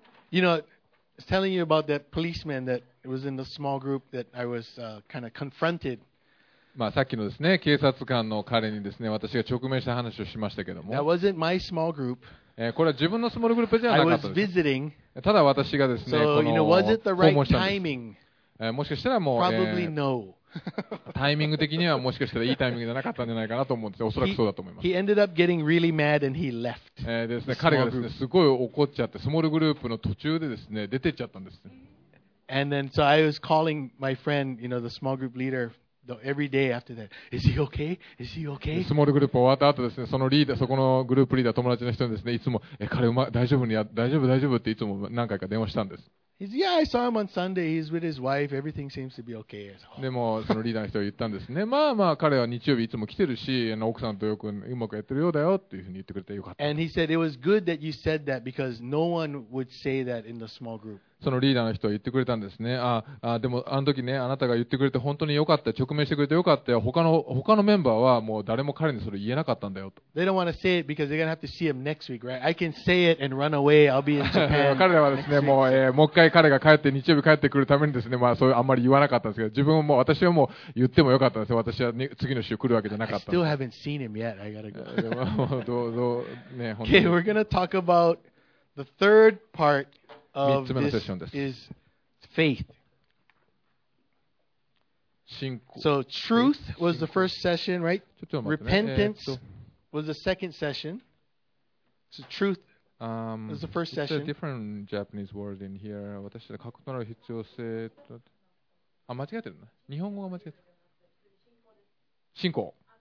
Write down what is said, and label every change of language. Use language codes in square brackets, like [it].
[en] You know, I was telling you about that policeman that was in the small group that I was kind of confronted. [ja] まあ、さっきのですね、警察官の彼にですね、私が直面した話をしましたけども。 [en] That wasn't my small group. [ja] これは自分のスモールグループじゃなかったです。 [en] I was visiting. [ja] ただ私がですね、この訪問したんです。もしかしたらもう、 [en] Probably no. [ja] タイミング的にはもしかしたらいいタイミングじゃなかったんじゃないかなと思うんですね。おそらくそうだと思います。 [en] He ended up getting really mad and he left. [ja] ですね、彼がですね、すごい怒っちゃって、スモールグループの途中でですね、出てっちゃったんです。 [en] And then, so I was calling my friend, you know, the small group leader, every day after that. Is he okay? Is he okay? [ja] スモールグループ終わった後ですね、そのリーダー、そこのグループリーダー、友達の人にですね、いつも、彼うま、大丈夫に、大丈夫、大丈夫っていつも何回か電話したんです。 [en] Yeah, I saw him on Sunday. He's with his wife. Everything seems to be okay. [ja] でも、そのリーダーの人が言ったんですね。まあまあ、彼は日曜日いつも来てるし、奥さんとよくうまくやってるようだよっていうふうに言ってくれてよかった。 [en] And he said, it was good that you said that because no one would say that in the small group. [ja] そのリーダーの人は言ってくれたんですね。ああでもあの時ね、あなたが言ってくれて本当に良かった、直面してくれて良かったよ。他のメンバーはもう誰も彼にそれ言えなかったんだよと。 [en] They don't want to say it because they're gonna have to see him next week, right? I can say it and run away. I'll be in Japan. [ja] 彼らはですね、もう一回彼が帰って日曜日帰ってくるためにですね、まあそういうあんまり言わなかったんですけど、自分も私はもう言っても良かったんですよ。私は、ね、次の週来るわけじゃなかった。 [en] I still haven't seen him yet. I gotta go. [ja] どうね、本当に。 [en] Okay, we're gonna talk about the third part. [ja] 3つ目のセッションです。 [en] This is faith. [ja] 信仰。 [en] So truth was the first session, right? [ja] ちょっと待ってね。 [en] Repentance was the second session. So truth was the first session. It's a different Japanese word in here. [ja] 私は確固必要性と。あ、間違えてるな。日本語が間違えてる。信仰。